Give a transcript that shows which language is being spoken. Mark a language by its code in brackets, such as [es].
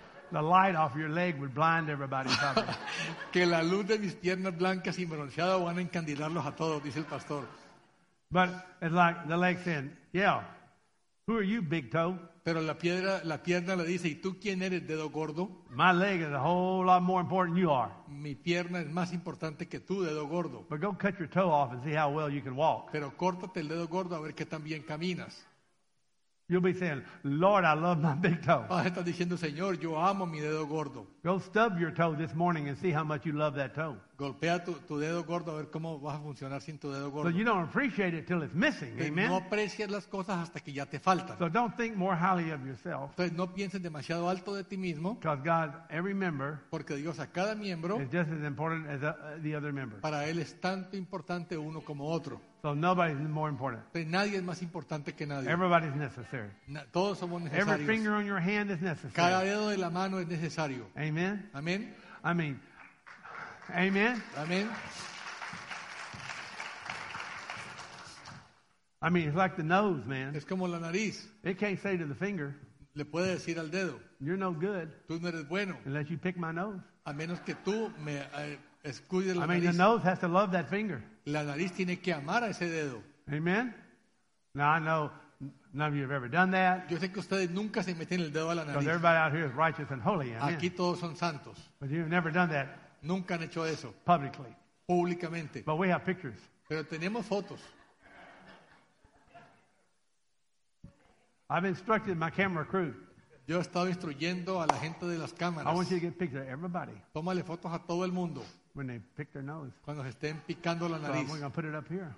[en] The light off your leg would blind everybody. [es] Que la luz de mis piernas blancas y bronceadas van a encandilarlos a todos, dice el pastor. [en] But it's like the leg saying, yeah, who are you, big toe? [es] Pero la pierna le dice, ¿y tú quién eres, dedo gordo? [en] My leg is a whole lot more important than you are. [es] Mi pierna es más importante que tú, dedo gordo. [en] But go cut your toe off and see how well you can walk. [es] Pero córtate el dedo gordo a ver qué tan bien caminas. [en] You'll be saying, Lord, I love my big toe. [es] Ah, estás diciendo, Señor, yo amo mi dedo gordo. [en] Go stub your toe this morning and see how much you love that toe. [es] Golpea tu dedo gordo a ver cómo vas a funcionar sin tu dedo gordo. [en] So you don't appreciate it till it's missing, amen. [es] No aprecias las cosas hasta que ya te faltan. [en] So don't think more highly of yourself. [es] Entonces no pienses demasiado alto de ti mismo. [en] Because God, every member, [es] porque Dios a cada miembro, [en] is just as important as the other member. [es] Para él es tanto importante uno como otro. [en] So nobody's more important. [es] Pero nadie es más importante que nadie. [en] Everybody's necessary. [es] Todos somos necesarios. [en] Every finger on your hand is necessary. [es] Cada dedo de la mano es necesario. [en] Amen. [es] Amen. [en] I mean. Amen. [es] Amen. [en] I mean, it's like the nose, man. [es] Es como la nariz. [en] It can't say to the finger. [es] Le puede decir al dedo. [en] You're no good. [es] Tú no eres bueno. [en] Unless you pick my nose. [es] A menos que tú me escudes la nariz. [en] I mean, [es] nariz. [en] The nose has to love that finger. [es] La nariz tiene que amar a ese dedo. [en] Amen. Now I know. None of you have ever done that. [es] Yo sé que ustedes nunca se meten el dedo a la nariz. [en] Because everybody out here is righteous and holy. Amen. [es] Aquí todos son santos. [en] But you've never done that. [es] Nunca han hecho eso. [en] Publicly. [es] Públicamente. [en] But we have pictures. [es] Pero tenemos fotos. [en] I've instructed my camera crew. [es] Yo he estado instruyendo a la gente de las cámaras. [en] I want you to get pictures of everybody. [es] Tómale fotos a todo el mundo. [en] When they pick their nose. [es] Cuando se estén picando la nariz. [en] So I'm going to put it up here.